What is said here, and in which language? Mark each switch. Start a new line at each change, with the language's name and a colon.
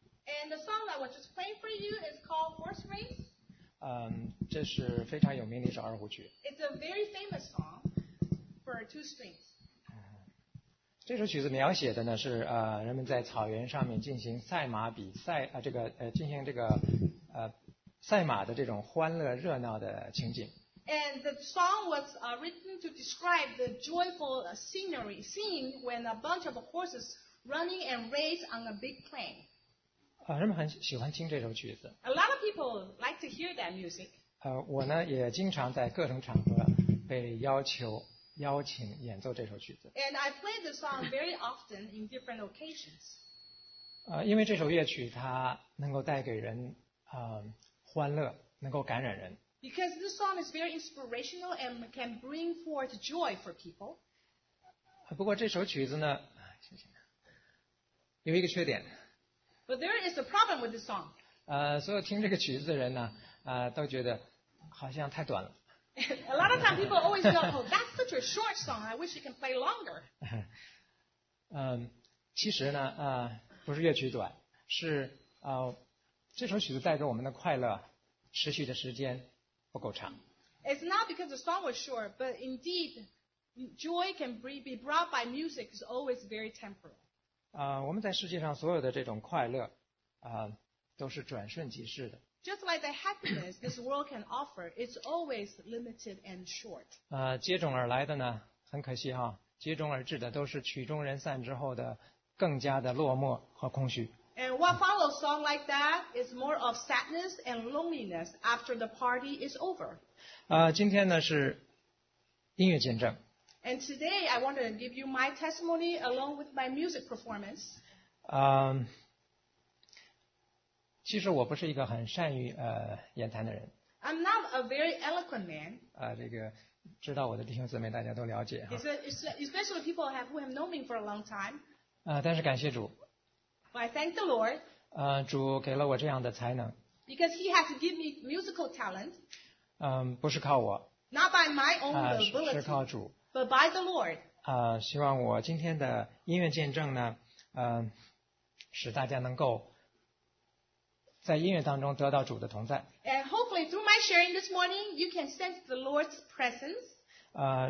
English: And the song I was just playing for you is called Horse Race.
Chinese: 这是非常有名的一首二胡曲。
English: It's a very famous song for two strings.
Chinese: 这首曲子描写的呢是人们在草原上面进行赛马比赛进行这个赛马的这种欢乐热闹的情景。
English: And the song was written to describe the joyful scenery scene when a bunch of horses running and race on a big plain.
Chinese: 人们很喜欢听这首曲子。
English: A lot of people like to hear that music.
Chinese: 我呢也经常在各种场合被邀请演奏这首曲子。
English: And I play the song very often in different occasions.
Chinese: 因为这首乐曲它能够带给人欢乐，能够感染人。
English: Because this song is very inspirational and can bring forth joy for people.
Chinese: 不过这首曲子呢，谢谢，有一个缺点。
English: But there is a problem with this song.
Chinese: 所有听这个曲子的人呢，都觉得好像太短了。
English: A lot of time people always feel, oh, that's such a short song. I wish you can play longer.
Chinese: 其实呢，不是乐曲短，是这首曲子带给我们的快乐持续的时间不够长。
English: It's not because the song was short, but indeed, joy can be brought by music is always very temporal.
Chinese: 我们在世界上所有的这种快乐，都是转瞬即逝的。
English: Just like the happiness this world can offer, it's always limited and short.
Chinese: 接踵而来的呢，很可惜哈，接踵而至的都是曲终人散之后的更加的落寞和空虚。
English: And what follows song like that is more of sadness and loneliness after the party is over.
Chinese: 今天呢是音乐见证。
English: And today I want to give you my testimony along with my music performance.
Chinese: 其实我不是一个很善于言谈的人。
English: I'm not a very eloquent man.
Chinese: 这个知道我的弟兄姊妹大家都了解。
English: Especially people who have known me for a long time.
Chinese: 但是感谢主。
English: Well, I thank the Lord.
Chinese: 主给了我这样的才能。
English: Because He has given me musical talent.
Chinese: 不是靠我。
English: Not by my own ability.
Chinese: 是靠主。
English: But by the Lord.
Chinese: 希望我今天的音乐见证呢，使大家能够在音乐当中得到主的同在。
English: And hopefully through my sharing this morning, you can sense the Lord's presence.